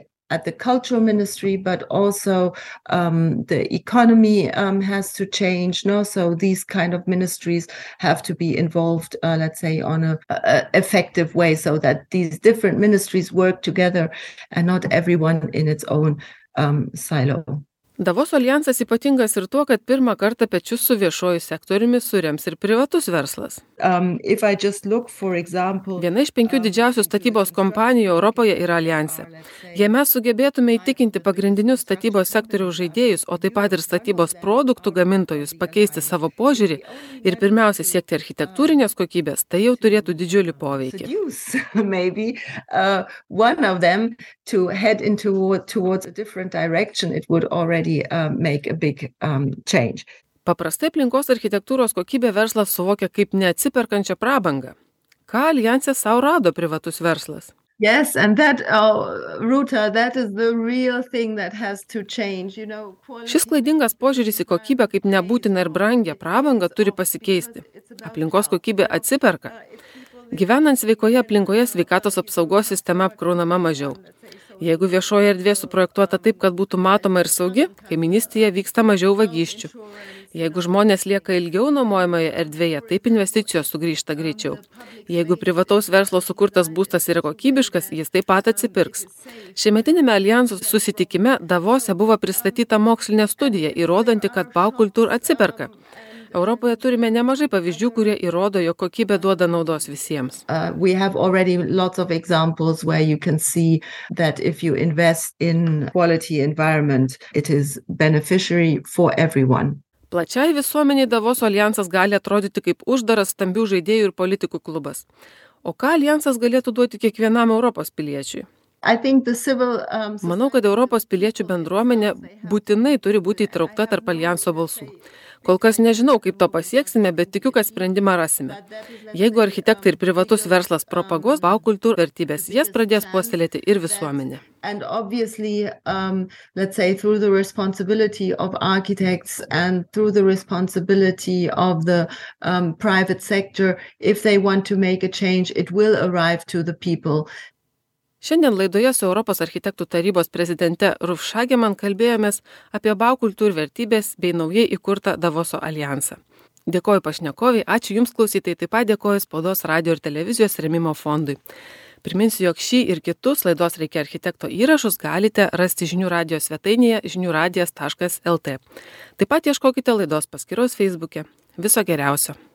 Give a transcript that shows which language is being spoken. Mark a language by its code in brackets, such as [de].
[en] At the cultural ministry, but also the economy has to change. No, so these kind of ministries have to be involved, let's say, on a effective way, so that these different ministries work together, and not everyone in its own silo. [lt] Davoso aljansas ypatingas ir tuo, kad pirmą kartą pečius su viešoju sektoriumi surems ir privatus verslas. Viena iš 5 didžiausių statybos kompanijų Europoje yra aljanse. Jei mes sugebėtume įtikinti pagrindinius statybos sektoriaus žaidėjus, o taip pat ir statybos produktų gamintojus pakeisti savo požiūrį ir pirmiausia siekti architektūrinės kokybės, tai jau turėtų didžiulį poveikį. Paprastai aplinkos architektūros kokybė verslas suvokia kaip neatsiperkančią prabangą. Ką aljanse sau rado privatus verslas? [en] Yes, and that, Ruta, that is the real thing that has to change. You know, quality... [lt] Šis klaidingas požiūris į kokybę kaip nebūtina ir brangia prabanga turi pasikeisti. Aplinkos kokybė atsiperka. Gyvenant sveikoje aplinkoje sveikatos apsaugos sistema apkraunama mažiau. Jeigu viešoje erdvė suprojektuota taip, kad būtų matoma ir saugi, kaiminystėje vyksta mažiau vagysčių. Jeigu žmonės lieka ilgiau nuomojamoje erdvėje, taip investicijos sugrįžta greičiau. Jeigu privataus verslo sukurtas būstas yra kokybiškas, jis taip pat atsipirks. Šiemetinėme alijanso susitikime Davose buvo pristatyta mokslinė studija, įrodanti, kad baukultūr atsiperka. Europoje turime nemažai pavyzdžių, kurie įrodo, jog kokybė duoda naudos visiems. [en] We have already lots of examples where you can see that if you invest in quality environment, it is beneficiary for everyone. [lt] Plačiai visuomeniai Davoso alijansas gali atrodyti kaip uždaras stambių žaidėjų ir politikų klubas. O ką alijansas galėtų duoti kiekvienam Europos piliečiui? Manau, kad Europos piliečių bendruomenė būtinai turi būti įtraukta tarp alijanso balsų. Kol kas nežinau, kaip to pasieksime, bet tikiu, kad sprendimą rasime. Jeigu architektai ir privatus verslas propaguos baukultūrų vertybės, jas pradės puoselėti ir visuomenė. [en] And obviously, let's say through the responsibility of architects and through the responsibility of the private sector, if they want to make a change, it will arrive to the people. [lt] Šiandien laidoje su Europos architektų tarybos prezidente Ruf Šageman kalbėjomės apie baukultūrų vertybės bei naujai įkurtą Davoso alijansą. Dėkoju pašnekovai, ačiū Jums klausytai, taip pat dėkoju Spaudos radio ir televizijos remimo fondui. Priminsiu, jog šį ir kitus laidos Reikia architekto įrašus galite rasti žinių radijos svetainėje žiniuradijas.lt. Taip pat ieškokite laidos paskyros Facebook'e. Viso geriausio.